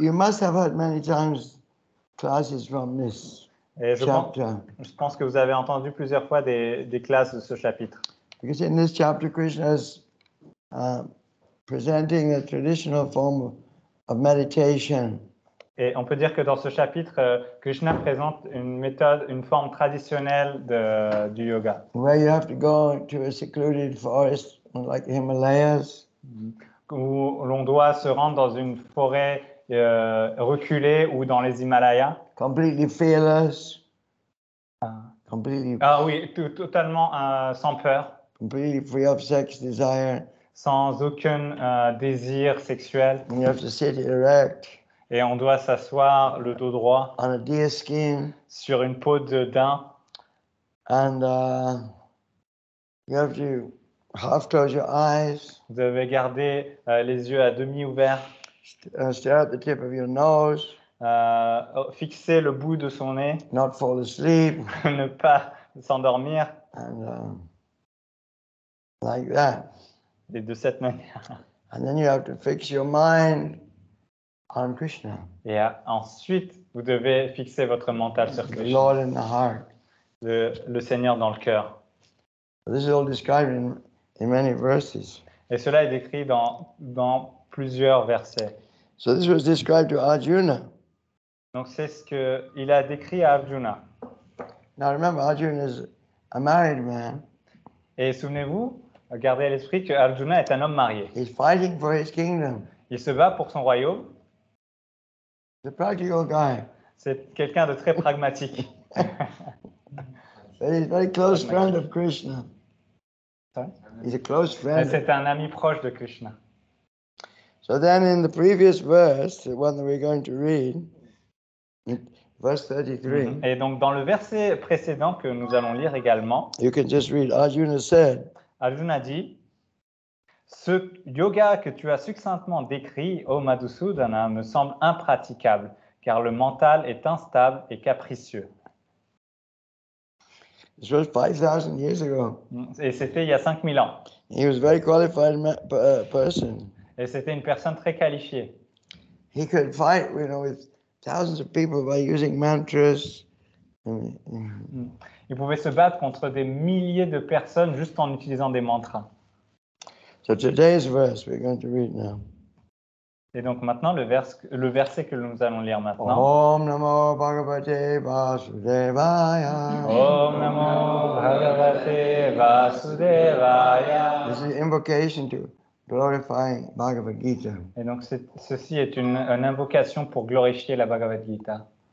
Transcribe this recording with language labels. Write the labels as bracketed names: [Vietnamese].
[English] You must have had many times classes from this chapter. [French] Je pense que vous avez entendu plusieurs fois des classes de ce chapitre. [English] Because in this chapter, Krishna is presenting a traditional form of meditation. [French] Et on peut dire que dans ce chapitre, Krishna présente une méthode, une forme traditionnelle du yoga. [English] Where you have to go to a secluded forest like Himalayas. [French] Où l'on doit se rendre dans une forêt reculée ou dans les Himalayas. [English] Completely fearless. Completely. [French] Ah oui, totalement sans peur. [English] Completely free of sex desire. [French] Sans aucun désir sexuel. [English] You have to sit erect. [French] Et on doit s'asseoir le dos droit [English] on a deer skin, [French] sur une peau de daim. [English] And you have to half close your eyes. [French] Vous devez garder les yeux à demi ouverts. [English] Stare at the tip of your nose. [French] Fixer le bout de son nez. [English] Not fall asleep. [French] Ne pas s'endormir. [English] And like that. [French] Et de cette manière. [English] And then you have to fix your mind. On Krishna. [French] Et ensuite, vous devez fixer votre mental sur Krishna. [English] The Lord in the heart. [French] Le Seigneur dans le cœur. [English] This is all described in many verses. [French] Et cela est décrit dans plusieurs versets. [English] So this was described to Arjuna. [French] Donc c'est ce que il a décrit à Arjuna. [English] Now remember, Arjuna is a married man. [French] Et souvenez-vous, gardez à l'esprit que Arjuna est un homme marié. [English] He's fighting for his kingdom. [French] Il se bat pour son royaume. [English] The practical guy. [French] C'est quelqu'un de très pragmatique. [English] He's a very close friend of Krishna. Sorry? He's a close friend. [French] Et c'est un ami proche de Krishna. [English] So then in the previous verse, the one that we're going to read, verse 33. Mm-hmm. [French] Et donc dans le verset précédent que nous allons lire également. [English] You can just read, Arjuna said. [French] Arjuna dit. Ce yoga que tu as succinctement décrit, ô Madhusudana, me semble impraticable, car le mental est instable et capricieux. [English] This was 5,000 years ago. [French] Et c'était il y a 5,000 ans. [English] He was a very qualified person. [French] Et c'était une personne très qualifiée. [English] He could fight, you know, with thousands of people by using mantras. [French] Il pouvait se battre contre des milliers de personnes juste en utilisant des mantras. [English] So today's verse we're going to read now. [French] Et donc maintenant le verset que nous allons lire maintenant. [Sanskrit] Om namo Bhagavate Vasudevaya. Om namo Bhagavate Vasudevaya. [English] This is an invocation to glorify Bhagavad Gita. [French] Et donc ceci est une invocation pour glorifier la Bhagavad Gita.